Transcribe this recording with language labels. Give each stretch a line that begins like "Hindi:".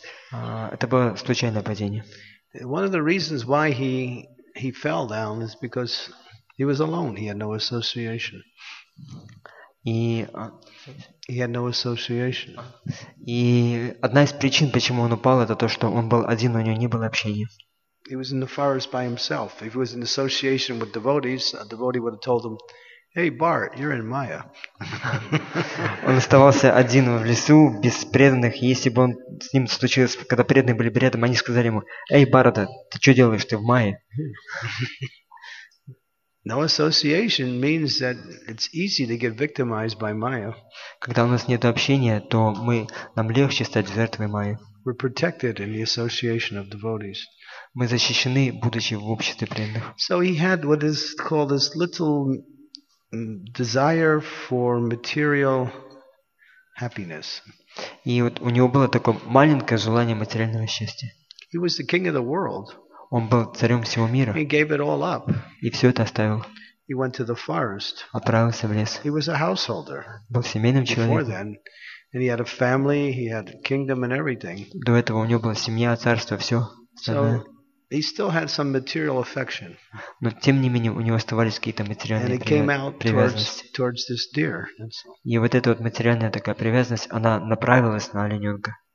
Russian: Это было случайное падение.
English: One of the reasons why he fell down is because he was alone. He had no association. He had no association.
Russian: И одна из причин, почему он упал, это то, что он был один, у него не было общения.
English: He was in the forest by himself. If he was in association with devotees, a devotee would have told him, "Hey, Bart, you're in Maya."
Russian: Он оставался один в лесу без преданных. Если бы он с ним случилось, когда преданные были рядом, они сказали ему, "Эй, Барт, ты что делаешь, ты в Майе?"
English: No association means that it's easy to get victimized by Maya.
Russian: Когда у нас нет общения, то нам легче стать жертвой Майи.
English: We're protected in the association of devotees.
Russian: Мы защищены, будучи в обществе преданных.
English: So he had what is called this little desire for material happiness.
Russian: И вот у него было такое маленькое желание материального счастья.
English: He was the king of the world.
Russian: Он был царем всего мира.
English: He gave it all up.
Russian: И все это оставил.
English: He went to the forest.
Russian: Отправился в лес.
English: He was a householder.
Russian: Был семейным человеком.
English: Before then, and he had a family, he had a kingdom and everything.
Russian: До этого у него была семья, царство, все.
English: So he still had some material affection.
Russian: Но тем не менее у него оставались какие-то материальные привязанности.
English: Towards this deer. That's
Russian: all. И вот эта вот материальная такая привязанность, она направилась на олененка.